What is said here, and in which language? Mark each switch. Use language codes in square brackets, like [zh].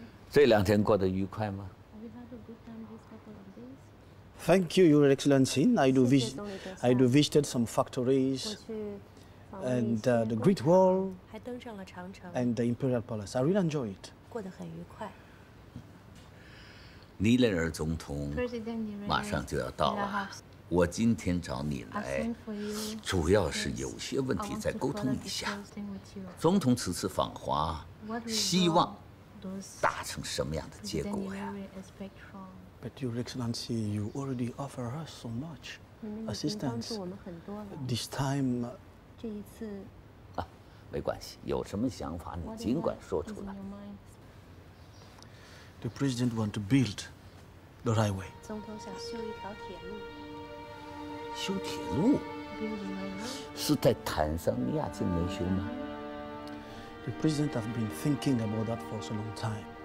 [zh] 这两天过得愉快吗 [en] ？Thank you, Your Excellency. I visited some factories and the Great Wall and the Imperial Palace. I really enjoy it. [zh] 过得很愉快。尼雷尔总统马上就要到了，我今天找你来，主要是有些问题再沟通一下。总统此次访华，希望。达成什么样的结果呀 [en] ？But Your Excellency, you already offer us so much assistance. This time, [zh] 这一次啊，没关系，有什么想法你尽管说出来。 [en] The president want to build the railway. [zh] 总统想修一条铁路。修铁路？是在坦桑尼亚境内修吗？ [en] The president has been thinking about that for so long time.